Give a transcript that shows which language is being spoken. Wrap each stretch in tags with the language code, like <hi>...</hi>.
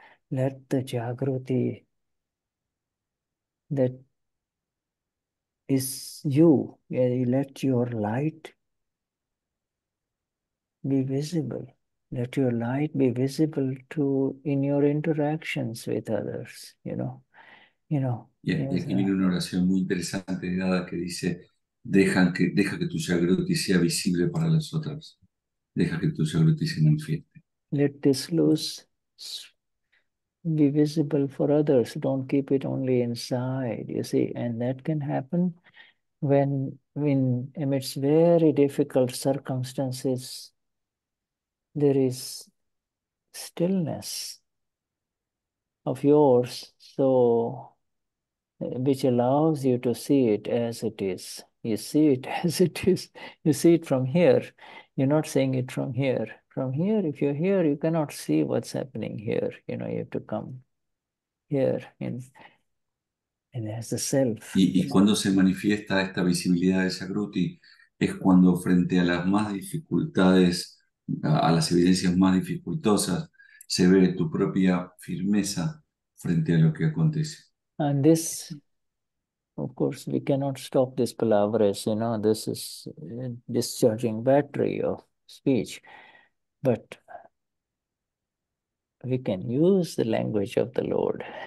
<en>Let the Jagruti that is you, let your light be visible. Let your light be visible to in your interactions with others, you know.</en> <es>Y aquí viene una oración muy interesante de Dada que dice, deja que tu Jagruti sea visible para las otras. Deja que tu Jagruti se manifieste.</es> <en>Let this luz be visible for others. Don't keep it only inside, you see. And that can happen when amidst very difficult circumstances, there is stillness of yours, so which allows you to see it as it is. You see it as it is. You see it from here. You're not seeing it from here. From here, if you're here, you cannot see what's happening here. You know, you have to come here and as the self.</en> <es>Y cuando se manifiesta esta visibilidad de Sagruti, es cuando frente a las más dificultades, a las evidencias más dificultosas, se ve tu propia firmeza frente a lo que acontece.</es> <en>And this, of course, we cannot stop this palabras, you know, this is discharging battery of speech, but we can use the language of the Lord.</en>